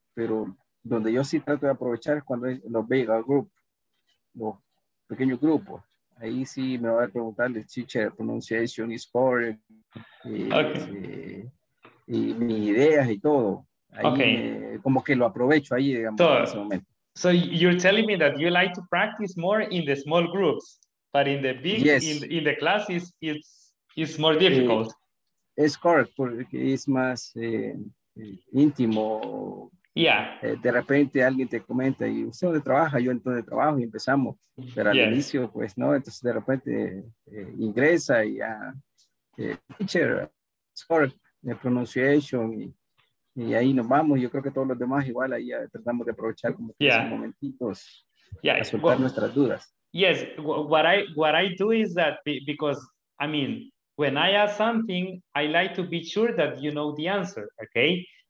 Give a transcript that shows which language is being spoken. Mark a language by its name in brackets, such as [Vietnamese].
[Spanish] Pero donde yo sí trato de aprovechar es cuando los [English] bigger group, [Spanish] los pequeños grupos. Ahí sí me va a preguntarle, teacher, [English] pronunciation is correct. [Spanish] Y mis ideas y todo. Ahí okay. Como que lo aprovecho ahí, digamos, en ese momento. [English] So you're telling me that you like to practice more in the small groups, but in the big, yes. in the classes, it's more difficult. [Spanish] Es correcto, porque es más íntimo. Yeah. De repente alguien te comenta, y usted dónde trabaja, yo entro de trabajo y empezamos. Pero al inicio, pues no, entonces de repente ingresa y ya. Teacher, es correcto. De pronunciation y ahí nos vamos. Yo creo que todos los demás igual ahí ya tratamos de aprovechar como que esos momentitos yeah. a soltar nuestras dudas. [English] Yes, what I do is that because, I mean, when I ask something, I like to be sure that you know the answer, okay?